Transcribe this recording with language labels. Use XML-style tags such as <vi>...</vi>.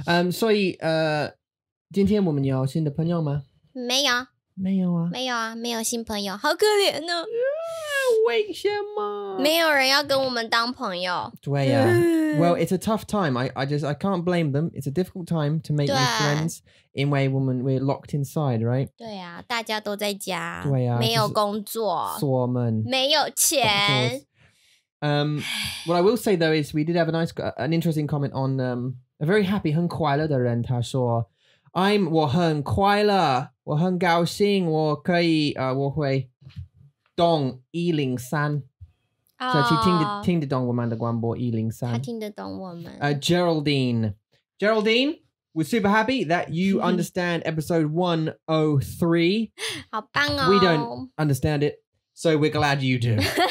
<zh>所以今天我们有新的朋友吗？没有。没有啊，没有啊，没有新朋友，好可怜呢、为什么？没有人要跟我们当朋友。对呀、</zh> <en>Well, it's a tough time. I can't blame them. It's a difficult time to make new friends.</en> <zh>因为我们</zh> <en>we're locked inside, right?</en> <zh>对呀、大家都在家。对呀、没有工作。锁门。没有钱。</zh> <en>What I will say though is we did have a nice, an interesting comment on a very happy,</en> <zh>很快乐的人，他说我很快乐。我很高兴我可以我会懂103、所以听得懂我们的广播103。他听得懂我们。</zh> <en>Geraldine, we're super happy that you understand episode 103.</en> <zh>好棒哦。</zh> <en>We don't understand it, so we're glad you do.</en>